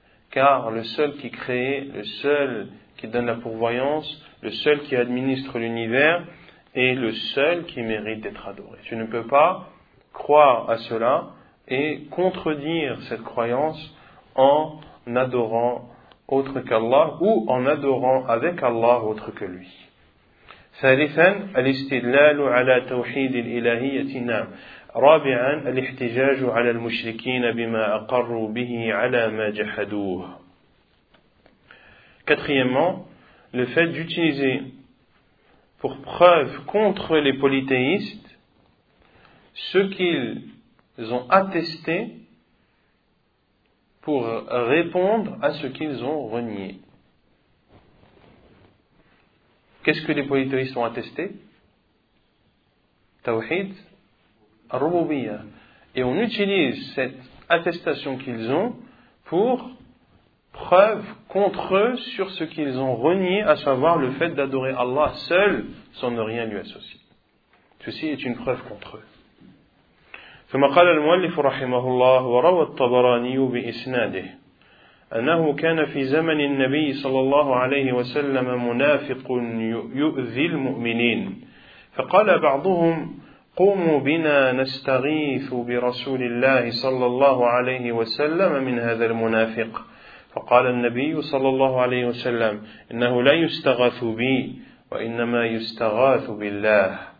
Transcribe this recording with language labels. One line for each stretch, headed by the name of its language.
French: Car le seul qui crée, le seul qui donne la pourvoyance, le seul qui administre l'univers, est le seul qui mérite d'être adoré. Tu ne peux pas croire à cela et contredire cette croyance en adorant autre qu'Allah ou en adorant avec Allah autre que lui.
Arabic: ثالثا الاستدلال على توحيد الإلهية نعم رابعا الاحتجاج على المشركين بما أقروا به على ما جحدوه.
French: Quatrièmement, le fait d'utiliser pour preuve contre les polythéistes ce qu'ils ont attesté pour répondre à ce qu'ils ont renié. Qu'est-ce que les polythéistes ont attesté? Tawhid, Ar-Rububiyya. Et on utilise cette attestation qu'ils ont pour preuve contre eux sur ce qu'ils ont renié, à savoir le fait d'adorer Allah seul sans ne rien lui associer. Ceci est une preuve contre eux.
Arabic: ثم قال المؤلف رحمه الله وروى الطبراني بإسناده أنه كان في زمن النبي صلى الله عليه وسلم منافق يؤذي المؤمنين فقال بعضهم قوموا بنا نستغيث برسول الله صلى الله عليه وسلم من هذا المنافق فقال النبي صلى الله عليه وسلم إنه لا يستغاث بي وإنما يستغاث بالله